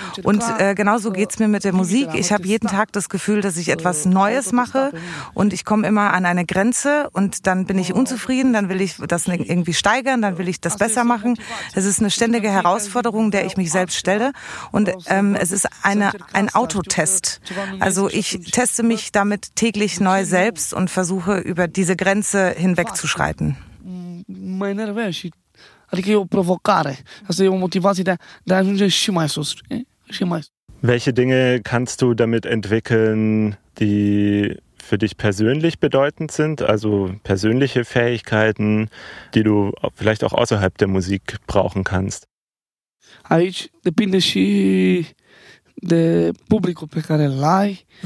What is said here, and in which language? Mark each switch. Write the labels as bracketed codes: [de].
[de] Und genauso geht es mir mit der Musik. Ich habe jeden Tag das Gefühl, dass ich etwas Neues mache und ich komme immer an eine Grenze und dann bin ich unzufrieden, dann will ich das irgendwie steigern, dann will ich das besser machen. Es ist eine ständige Herausforderung, der ich mich selbst stelle. Und es ist ein Autotest. Also ich teste mich damit täglich neu selbst und versuche, über diese Grenze hinwegzuschreiten. [ro] Mă enervez și, adică e o provocare. Asta e o motivație de a ajunge și mai sus. Și mai sus. [de] Welche Dinge kannst du damit entwickeln, die für dich persönlich bedeutend sind? Also persönliche Fähigkeiten, die du vielleicht auch außerhalb der Musik brauchen kannst? [ro] Aici depinde și... De publicul pe care l-ai.